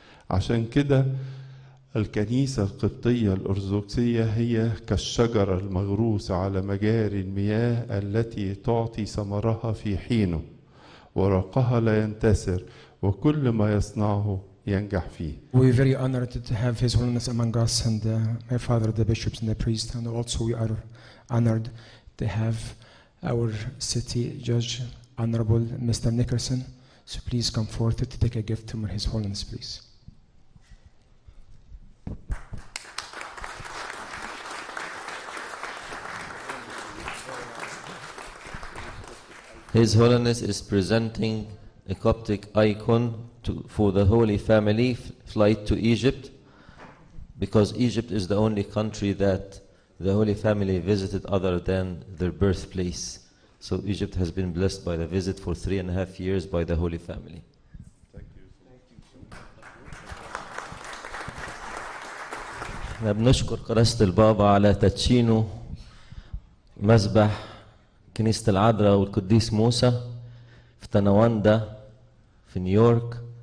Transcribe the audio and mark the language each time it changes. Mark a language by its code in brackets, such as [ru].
[ar] عشان كده الكنيسة القبطية الأرثوذكسية هي كالشجرة المغروسة على مجاري المياه التي تعطي ثمرها في حينه ورقها لا ينتثر وكل ما يصنعه ينجح فيه. [en] We are very honored to have His Holiness among us and my father, the bishops and the priests, and also we are honored to have our city judge, Honorable Mr. Nickerson. So please come forth to take a gift from His Holiness, please. His Holiness is presenting a Coptic icon to, for the Holy Family flight to Egypt. because Egypt is the only country that the Holy Family visited other than their birthplace. So Egypt has been blessed by the visit for 3.5 years by the Holy Family. [ar] احنا بنشكر قداسة البابا على تدشينه مذبح كنيسة العذراء والقديس موسى في تنواندا في نيويورك.